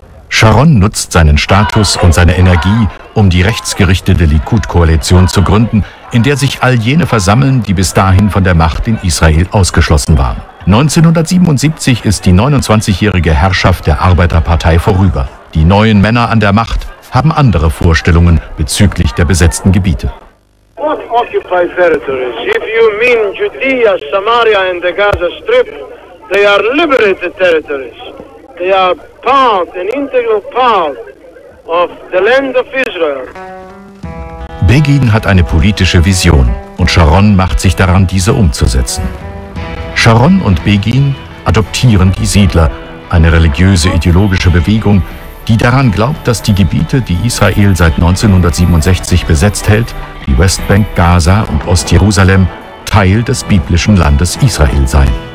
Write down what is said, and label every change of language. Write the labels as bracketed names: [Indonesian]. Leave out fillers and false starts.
[German] Sharon nutzt seinen Status und seine Energie, um die rechtsgerichtete Likud-Koalition zu gründen, in der sich all jene versammeln, die bis dahin von der Macht in Israel ausgeschlossen waren. 1977 ist die 29-jährige Herrschaft der Arbeiterpartei vorüber. Die neuen Männer an der Macht haben andere Vorstellungen bezüglich der besetzten Gebiete. [English] What occupied territories? If you mean Judea, Samaria and the Gaza Strip, they are liberated territories. They are part, an integral part of the land of Israel. [German] Begin hat eine politische Vision und Sharon macht sich daran, diese umzusetzen. Sharon und Begin adoptieren die Siedler, eine religiöse, ideologische Bewegung, die daran glaubt, dass die Gebiete, die Israel seit 1967 besetzt hält, die Westbank, Gaza und Ost-Jerusalem, Teil des biblischen Landes Israel seien.